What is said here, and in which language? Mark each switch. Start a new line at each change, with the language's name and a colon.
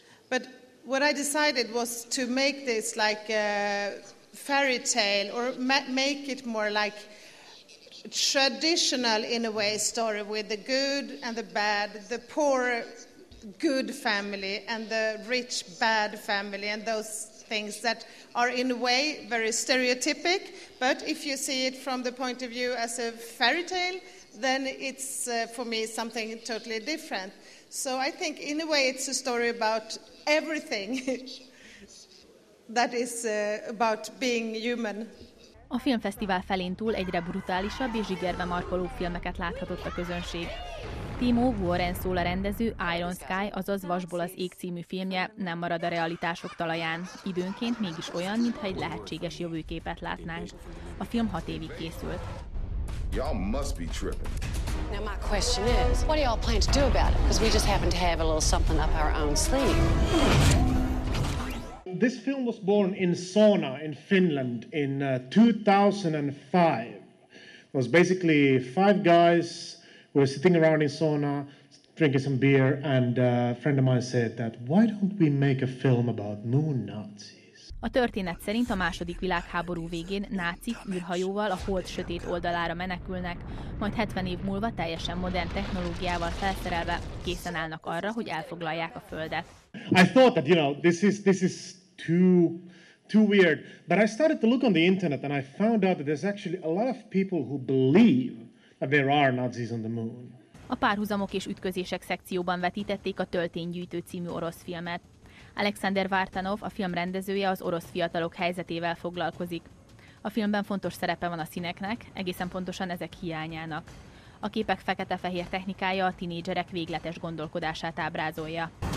English: But what I decided was to make this like a fairy tale, or make it more like traditional in a way story, with the good and the bad, the poor good family and the rich bad family, and those things that are in a way very stereotypic, but if you see it from the point of view as a fairy tale, then it's for me something totally different. So I think in a way it's a story about everything that is about being human.
Hungarian: A filmfesztivál felén túl egyre brutálisabb és zsigerbe markoló filmeket láthatott a közönség. Timo Warren szól a rendező, Iron Sky, azaz Vasból az ég című filmje nem marad a realitások talaján. Időnként mégis olyan, mintha egy lehetséges jövőképet látnánk. A film 6 évig készült.
English: Y'all must be tripping. Now my question is, what do y'all plan to do about it? Because we just happen to have a little something up our own sleeve. This film was born in Sauna in Finland in 2005. It was basically five guys We were sitting around in sauna, drinking some beer, and a friend of mine said that, why don't we make a film about moon Nazis?
Hungarian: A történet szerint a II. Világháború végén nácik űrhajóval a hold sötét oldalára menekülnek, majd 70 év múlva teljesen modern technológiával felszerelve készen állnak arra, hogy elfoglalják a Földet.
English: I thought that, you know, this is too weird, but I started to look on the internet and I found out that there's actually a lot of people who believe that there are Nazis on the moon.
Hungarian: A párhuzamok és ütközések szekcióban vetítették a Tölténygyűjtő című orosz filmet. Alexander Vartanov, a film rendezője, az orosz fiatalok helyzetével foglalkozik. A filmben fontos szerepe van a színeknek, egészen pontosan ezek hiányának. A képek fekete-fehér technikája a tinédzserek végletes gondolkodását ábrázolja.